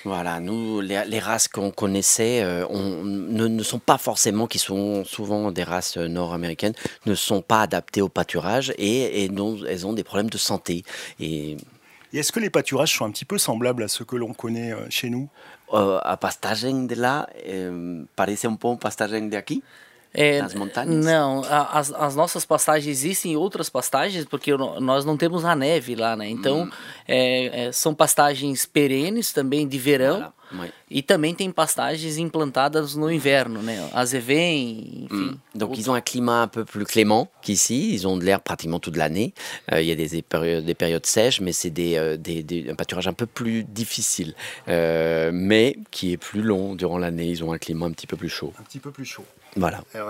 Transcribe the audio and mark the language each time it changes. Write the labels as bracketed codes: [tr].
[fr] Voilà, nous, les races qu'on connaissait ne sont pas forcément, qui sont souvent des races nord-américaines, ne sont pas adaptées au pâturage et donc elles ont des problèmes de santé. Et est-ce que les pâturages sont un petit peu semblables à ceux que l'on connaît chez nous? [pt] A pastagem de lá parece um pouco pastagem de aqui? Nas montagnes? Não, as nossas pastagens existem outras pastagens, porque nós não temos a neve lá, né? Então, são pastagens perenes também, de verão, e também tem pastagens implantadas no inverno, né? As Evens, enfim. [fr] Donc, ils ont un climat un peu plus clément qu'ici. Ils ont de l'air pratiquement toute l'année. Il y a des périodes sèches, mais c'est un pâturage un peu plus difficile, mais qui est plus long durant l'année. Ils ont un climat un petit peu plus chaud. Un petit peu plus chaud. Voilà.